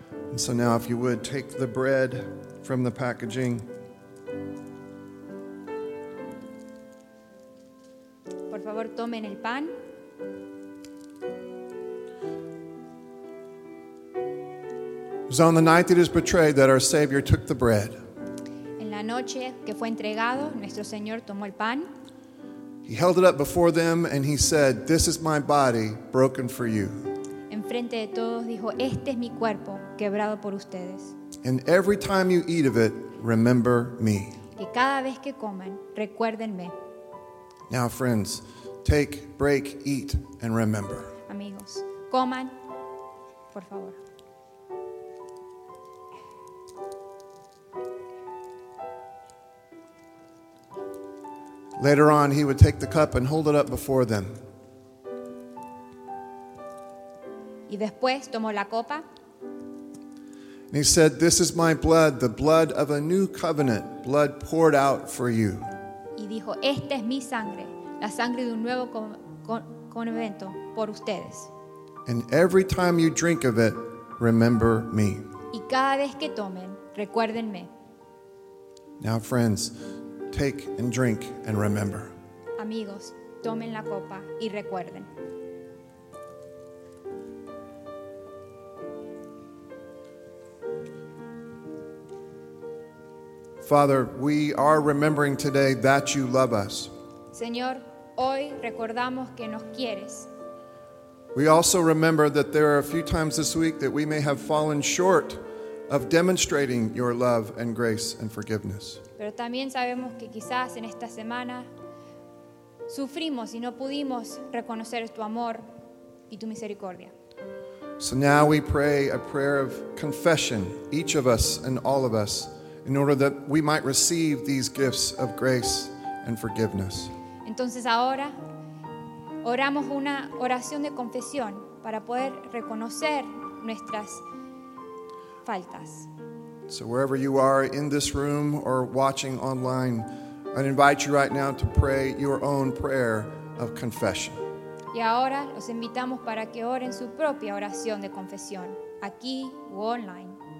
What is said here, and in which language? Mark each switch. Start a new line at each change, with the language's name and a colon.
English: And so now, if you would, take the bread from the packaging.
Spanish: Por favor, tomen el pan.
English: It was on the night that he was betrayed that our Savior took the bread.
Spanish: En la noche que fue entregado, nuestro Señor tomó el pan.
English: He held it up before them and he said, "This is my body broken for you."
Spanish: Enfrente de todos dijo, "Este es mi cuerpo quebrado por ustedes."
English: And every time you eat of it, remember me.
Spanish: Y cada vez que coman, recuérdenme.
English: Now, friends, take, break, eat, and remember.
Spanish: Amigos, coman, por favor.
English: Later on, he would take the cup and hold it up before them.
Spanish: Y después tomó la copa.
English: And he said, "This is my blood, the blood of a new covenant, blood poured out for you."
Spanish: Y dijo, "Esta es mi sangre, la sangre de un nuevo convento por ustedes."
English: And every time you drink of it, remember me.
Spanish: Y cada vez que tomen, recuérdenme.
English: Now, friends, take and drink and remember.
Spanish: Amigos, tomen la copa y recuerden.
English: Father, we are remembering today that you love us.
Spanish: Señor, hoy recordamos que nos quieres.
English: We also remember that there are a few times this week that we may have fallen short of demonstrating your love and grace and forgiveness.
Spanish: Pero también sabemos que quizás en esta semana sufrimos y no pudimos reconocer tu amor y tu misericordia.
English: So now we pray a prayer of confession, each of us and all of us, in order that we might receive these gifts of grace and forgiveness.
Spanish: Entonces ahora oramos una oración de confesión para poder reconocer nuestras faltas.
English: So wherever you are in this room or watching online, I invite you right now to pray your own prayer of confession.
Spanish: Y ahora los invitamos para que oren su propia oración de confesión, aquí u online.